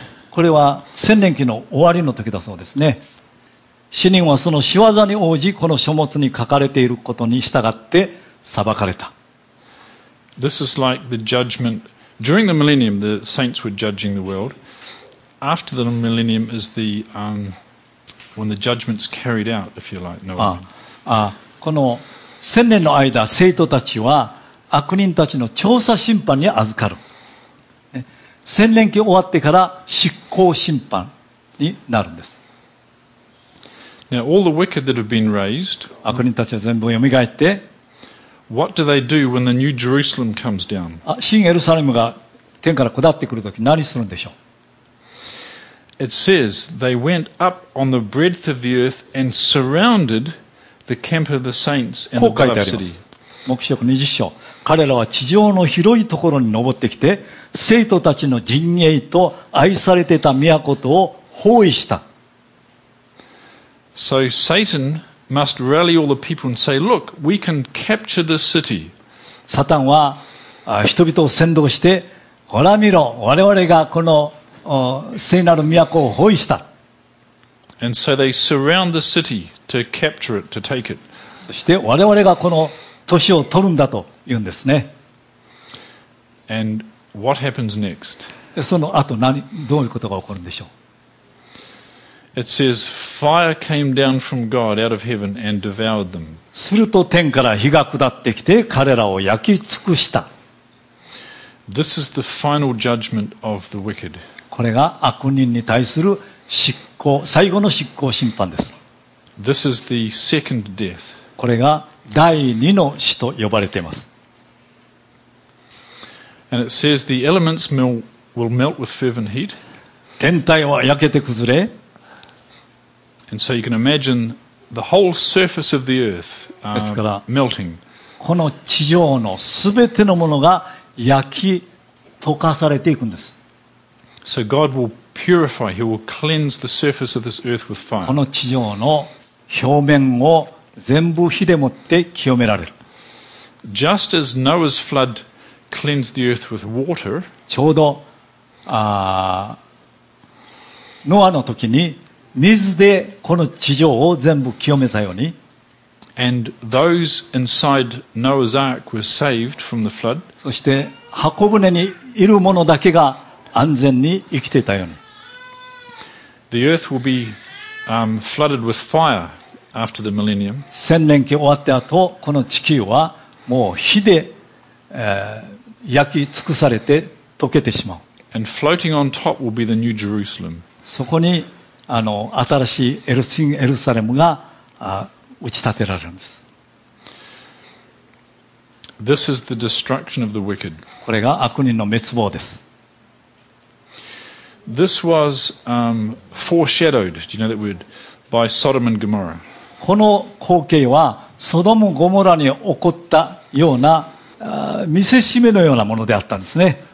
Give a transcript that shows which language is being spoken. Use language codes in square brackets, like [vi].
[ja] これは千年期の終わりの時だそうですね。死人はその仕業に応じこの書物に書かれていることに従って裁かれた。 [en] This is like the judgment during the millennium. The saints were judging the world. After the millennium is the when the judgment's carried out, if you like. No. [ja] この千年の間、聖徒たちは悪人たちの調査審判に預かる。千年期終わってから執行審判になるんです。 [en] Now all the wicked that have been raised. [ja] 悪人たちは全部蘇って。 [en] What do they do when the New Jerusalem comes down? [ja] 新エルサレムが天から下ってくるとき何するんでしょう。 [en] It says they went up on the breadth of the earth and surrounded the camp of the saints and the beloved city. [ja] 黙示録20章。彼らは地上の広いところに登ってきて、聖徒たちの陣営と愛されてた都とを包囲した。 [en] So Satan must rally all the people and say, "Look, we can capture this city." [ja] サタンは人々を煽動して、ほら見ろ、我々がこの聖なる都を包囲した。 [en] And so they surround the city to capture it, to take it. [ja] そして我々がこの年を取るんだと言うんですね。 [en] And what happens next? [ja] その後何どういうことが起こるんでしょう。 [en] It says, fire came down from God out of heaven and devoured them. [ja] すると天から火が下ってきて彼らを焼き尽くした。 [en] This is the final judgment of the wicked. [ja] これが悪人に対する執行、最後の執行審判です。 [en] This is the second death. [ja] これが第二の死と呼ばれています。 [en] And it says the elements will melt with fervent heat. [ja] 天体は焼けて崩れ。 [en] And so you can imagine the whole surface of the earth melting. [ja] この地上のすべてのものが焼き溶かされていくんです。 [en] So God will purify, He will cleanse the surface of this earth with fire. [ja] この地上の表面を全部火でもって清められる。 [en] Just as Noah's flood cleansed the earth with water, [ja] ちょうどノアの時に水でこの地上を全部清めたように、 [en] And those inside Noah's ark were saved from the flood. [ja] そして箱舟にいる者だけが安全に生きていたように、 [en] The earth will be flooded with fire. After the millennium. [ja] 千年期終わった後、この地球はもう火で、焼き尽くされて溶けてしまう。 [en] And floating on top will be the New Jerusalem. [ja] そこに新しいエルシンエルサレムが打ち立てられるんです。 [en] This is the destruction of the wicked. [ja] これが悪人の滅亡です。 [en] This was foreshadowed. Do you know that word? By Sodom and Gomorrah. [ja] この光景はソドム・ゴモラに起こったような見せしめのようなものであったんですね。